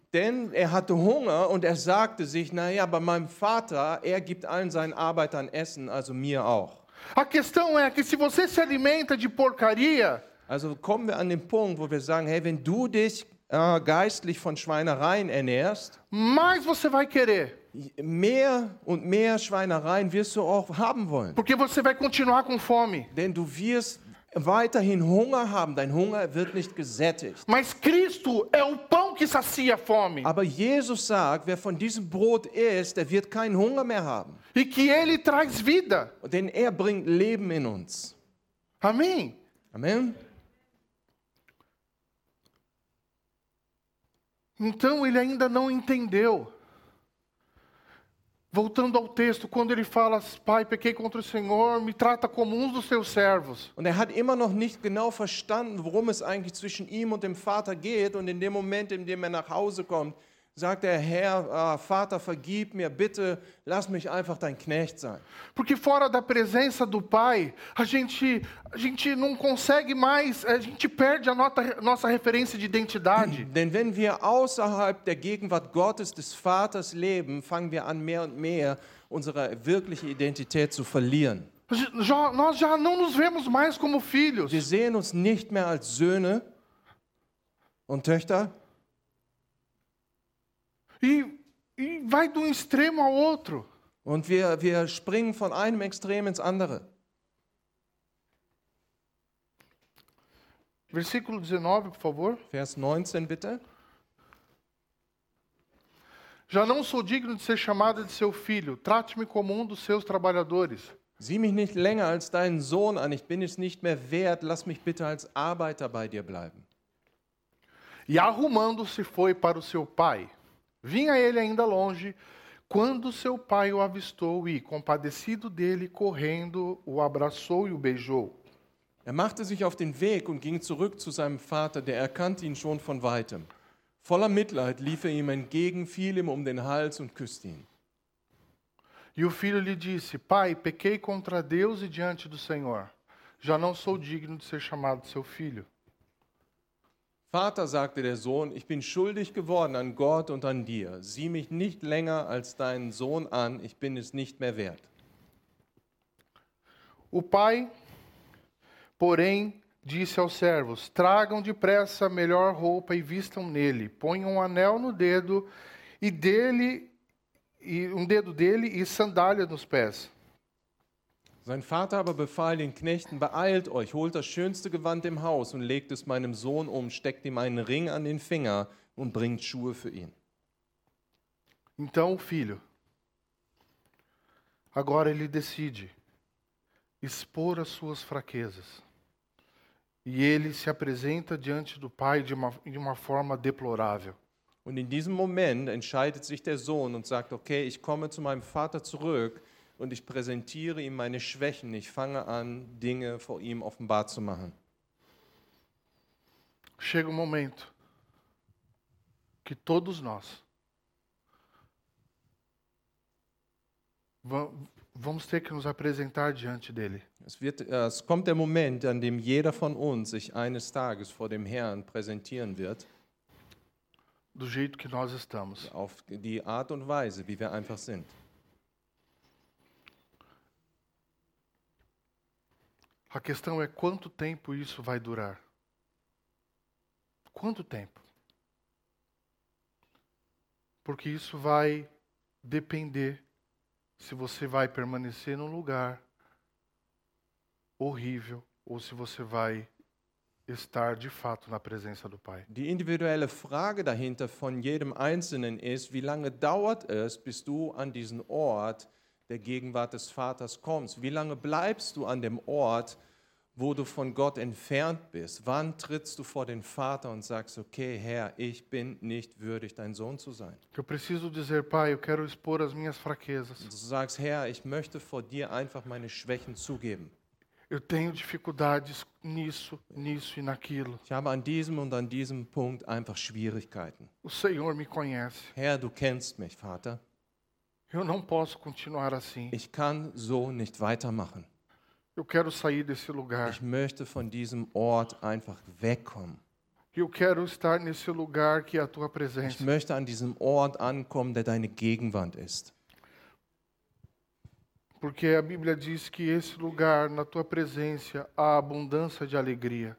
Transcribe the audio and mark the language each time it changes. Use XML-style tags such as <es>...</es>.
<de>Denn er hatte Hunger und er sagte sich, naja, bei meinem Vater, er gibt allen seinen Arbeitern Essen, also mir auch.</de> <pt>A questão é que se você se alimenta de porcaria,</pt> <de>also kommen wir an den Punkt, wo wir sagen, hey, wenn du dich geistlich von Schweinereien ernährst,</de> <pt>mais você vai querer.</pt> <de>Mehr und mehr Schweinereien wirst du auch haben wollen.</de> <pt>Porque você vai continuar com fome.</pt> <de>Denn du wirst weiterhin Hunger haben, dein Hunger wird nicht gesättigt.</de> <pt>Mas Cristo é o pão que sacia a fome.</pt> <de>Aber Jesus sagt, wer von diesem Brot isst, der wird keinen Hunger mehr haben.</de> <pt>E que ele traz vida.</pt> <de>Denn er bringt Leben in uns.</de> <pt>Amém. Amém. Então ele ainda não entendeu. Voltando ao texto, quando ele fala: pai, pequei contra o Senhor, me trata como dos seus servos.</pt> <de>Und er hat immer noch nicht genau verstanden, worum es eigentlich zwischen ihm und dem Vater geht. Und in dem Moment, in dem er nach Hause kommt, sagt er: Herr, Vater, vergib mir, bitte, lass mich einfach dein Knecht sein.</de> <pt>Porque fora da presença do pai, a gente não consegue mais, a gente perde a nossa referência de identidade.</pt> <de>Denn wenn wir außerhalb der Gegenwart Gottes, des Vaters leben, fangen wir an mehr und mehr unsere wirkliche Identität zu verlieren.</de> <pt>Nós já não nos vemos mais como filhos.</pt> <de>Wir sehen uns nicht mehr als Söhne und Töchter.</de> <pt>E vai de um extremo ao outro.</pt> <de>Und wir springen von einem Extrem ins andere.</de> <pt>Versículo 19, por favor.</pt> <de>Vers 19, bitte.</de> <pt>Já não sou digno de ser chamado de seu filho. Trate-me como dos seus trabalhadores.</pt> <de>Sieh mich nicht länger als deinen Sohn an. Ich bin es nicht mehr wert. Lass mich bitte als Arbeiter bei dir bleiben.</de> <pt>E arrumando-se foi para o seu pai. Vinha ele ainda longe, quando seu pai o avistou e, compadecido dele, correndo, o abraçou e o beijou.</pt> <de>Er machte sich auf den Weg und ging zurück zu seinem Vater, der erkannte ihn schon von weitem. Voller Mitleid lief er ihm entgegen, fiel ihm den Hals und küsste ihn.</de> <pt>E o filho lhe disse: Pai, pequei contra Deus e diante do Senhor. Já não sou digno de ser chamado seu filho.</pt> <de>Vater, sagte der Sohn, ich bin schuldig geworden an Gott und an dir. Sieh mich nicht länger als deinen Sohn an, ich bin es nicht mehr wert.</de> <pt>O pai, porém, disse aos servos: Tragam depressa a melhor roupa e vistam nele. Ponham um anel no dedo e dele e um dedo dele e sandália nos pés.</pt> <de>Sein Vater aber befahl den Knechten: Beeilt euch, holt das schönste Gewand im Haus und legt es meinem Sohn um, steckt ihm einen Ring an den Finger und bringt Schuhe für ihn.</de> <pt>Então o filho, agora ele decide expor as suas fraquezas. E ele se apresenta diante do pai de uma forma deplorável.</pt> <de>Und in diesem Moment entscheidet sich der Sohn und sagt: Okay, ich komme zu meinem Vater zurück und ich präsentiere ihm meine Schwächen. Ich fange an, Dinge vor ihm offenbar zu machen.</de> <pt>Chega um momento que todos nós vamos ter que nos apresentar diante dele.</pt> <de>Es kommt der Moment, an dem jeder von uns sich eines Tages vor dem Herrn präsentieren wird.</de> <pt>Do jeito que nós estamos.</pt> <de>Auf die Art und Weise, wie wir einfach sind.</de> <pt>A questão é quanto tempo isso vai durar? Quanto tempo? Porque isso vai depender se você vai permanecer num lugar horrível ou se você vai estar de fato na presença do Pai.</pt> <de>Die individuelle Frage dahinter von jedem Einzelnen ist, wie lange dauert es, bis du an diesen Ort der Gegenwart des Vaters kommst? Wie lange bleibst du an dem Ort, wo du von Gott entfernt bist? Wann trittst du vor den Vater und sagst: Okay, Herr, ich bin nicht würdig, dein Sohn zu sein?</de> <pt>Eu preciso dizer, Pai, eu quero expor as minhas fraquezas.</pt> <de>Du sagst: Herr, ich möchte vor dir einfach meine Schwächen zugeben.</de> <pt>Eu tenho dificuldades nisso, nisso e naquilo.</pt> <de>Ich habe an diesem und an diesem Punkt einfach Schwierigkeiten.</de> <pt>O Senhor me conhece.</pt> <de>Herr, du kennst mich, Vater.</de> <pt>Eu não posso continuar assim.</pt> <de>Ich kann so nicht weitermachen.</de> <pt>Eu quero sair desse lugar.</pt> <de>Ich möchte von diesem Ort einfach wegkommen.</de> <pt>Eu quero estar nesse lugar que é a tua presença.</pt> <de>Ich möchte an diesem Ort ankommen, der deine Gegenwart ist.</de> <pt>Porque a Bíblia diz que esse lugar, na tua presença, há abundância de alegria.</pt>